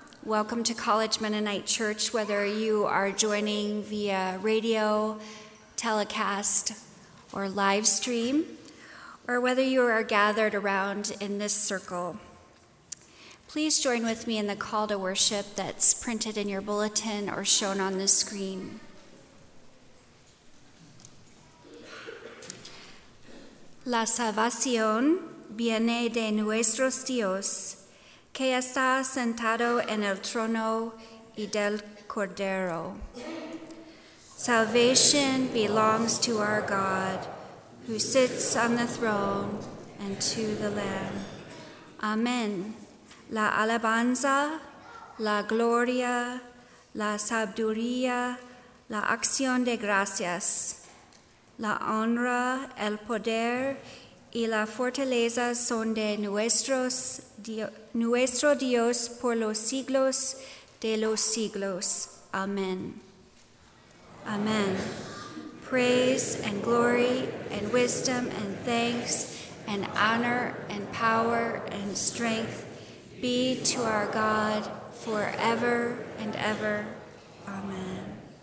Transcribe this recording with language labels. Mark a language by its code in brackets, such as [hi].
[en] Welcome to College Mennonite Church, whether you are joining via radio, telecast, or live stream, or whether you are gathered around in this circle. Please join with me in the call to worship that's printed in your bulletin or shown on the screen. [es] La salvación viene de nuestros Dios, que está sentado en el trono y del Cordero. [en] Salvation belongs to our God, who sits on the throne and to the Lamb. Amen. [es] La alabanza, la gloria, la sabiduría, la acción de gracias, la honra, el poder y la fortaleza son de nuestro Dios por los siglos de los siglos. [en] Amen. Amen. Praise and glory and wisdom and thanks and honor and power and strength be to our God forever and ever. Amen.